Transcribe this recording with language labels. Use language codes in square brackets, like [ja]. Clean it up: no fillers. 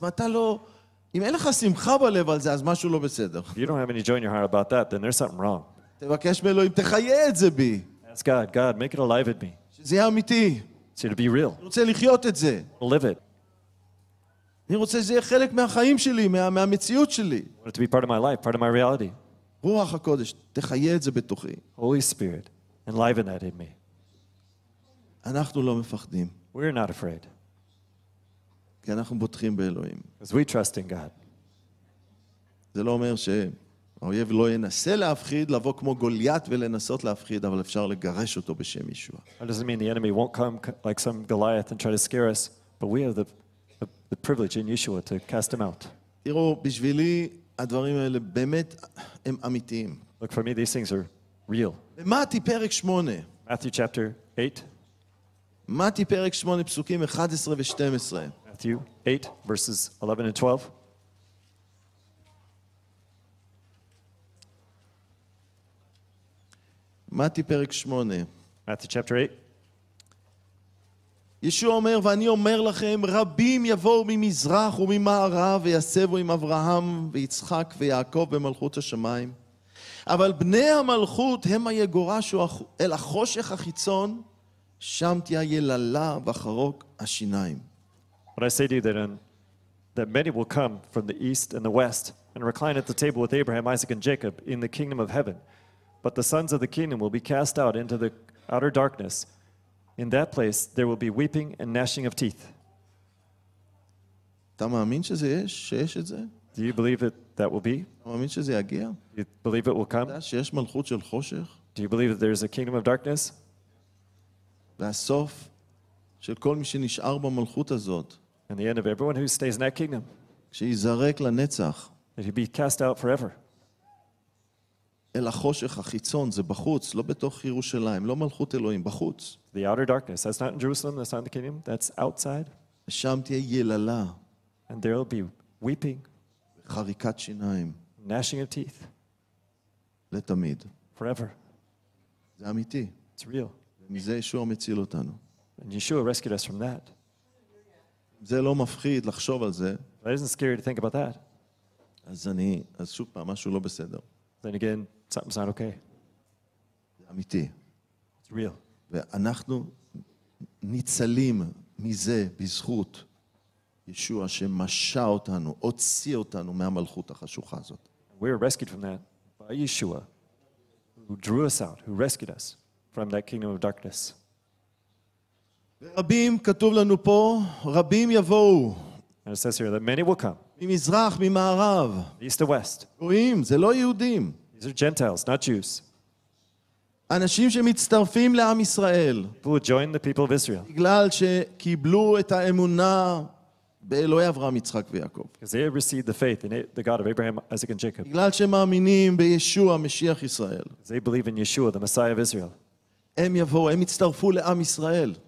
[he] ואתה לא, אם אין לך שמחה בלב על זה, אז משהו לא בסדר. [en] If you don't have any joy in your heart about that, then there's something wrong. [he] תבקש מאלוהים, תחיה את זה בי. [en] Ask God, God, make it alive in me. [he] שזה יהיה אמיתי. [en] So to be real. [he] אני רוצה לחיות את זה. [en] Live it. [he] אני רוצה שזה יהיה חלק מהחיים שלי, מהמציאות שלי. [en] I want it to be part of my life, part of my reality. [he] רוח הקודש, תחיה את זה בתוכי. [en] Holy Spirit, enliven that in me. [he] אנחנו לא מפחדים. [en] We're not afraid. [he] כי אנחנו בוטחים באלוהים. [en] Because we trust in God. [he] זה לא אומר שהאויב לא ינסה להפחיד, לבוא כמו גוליית ולנסות להפחיד, אבל אפשר לגרש אותו בשם ישוע. [en] That doesn't mean the enemy won't come like some Goliath and try to scare us, but we have the privilege in Yeshua to cast him out. [he] תראו, בשבילי הדברים האלה באמת הם אמיתיים. [en] Look, for me these things are real. [he] במתי פרק 8. [en] Matthew chapter 8. [he] מתי פרק 8 פסוקים 11 ו-12. [en] Matthew 8 verses 11 and 12. [he] מתי פרק 8. [en] Matthew chapter 8. [he] ישוע אומר, ואני אומר לכם, רבים יבואו ממזרח וממערב ויסבו עם אברהם ויצחק ויעקב במלכות השמיים. אבל בני המלכות הם יגורשו אל החושך החיצון, שם תהיה יללה וחרוק השיניים. [en] But I say to you that many will come from the east and the west and recline at the table with Abraham, Isaac and Jacob in the kingdom of heaven. But the sons of the kingdom will be cast out into the outer darkness. In that place there will be weeping and gnashing of teeth. [he] אתה מאמין שיש את זה? [en] Do you believe that will be? [he] אתה מאמין שזה יגיע? [en] You believe it will come? [he] שיש מלכות של חושך? [en] Do you believe that there is a kingdom of darkness? [he] והסוף של כל מי שנשאר במלכות הזאת. [en] And the end of everyone who stays in that kingdom. [he] שיזרק לנצח. [en] That he be cast out forever. [he] אל החושך החיצון, זה בחוץ, לא בתוך ירושלים, לא מלכות אלוהים, בחוץ. [en] The outer darkness, that's not in Jerusalem, that's not in the kingdom, that's outside. [he] ושם תהיה יללה. [en] And there will be weeping. [he] וחריקת שיניים. [en] Gnashing of teeth. [he] לתמיד. [en] Forever. [he] זה אמיתי. [en] It's real. [he] ומזה ישוע מציל אותנו. [en] And Yeshua rescued us from that. [he] זה לא מפחיד לחשוב על זה. [en] It isn't scary to think about that. [he] אז שוב פעם, משהו לא בסדר. [en] Then again, something's not okay. [he] זה אמיתי. [en] It's real. [he] ואנחנו ניצלים מזה בזכות ישוע שמשה אותנו, הוציא אותנו מהמלכות החשוכה הזאת. [en] We were rescued from that by Yeshua, who drew us out, who rescued us from that kingdom of darkness. [he] רבים, כתוב לנו פה, רבים יבואו. [en] And it says here that many will come. [he] ממזרח, ממערב. [en] East to west. [he] גויים, זה לא יהודים. [en] These are Gentiles, not Jews. [he] אנשים שמצטרפים לעם ישראל. [en] Who join the people of Israel. [he] בגלל שקיבלו את האמונה באלוהי אברהם, יצחק ויעקב. [en] Because they have received the faith in the God of Abraham, Isaac, and Jacob. [he] בגלל שמאמינים בישוע, משיח ישראל. [en] They believe in Yeshua, the Messiah of Israel. [he] הם יבואו, הם יצטרפו לעם ישראל.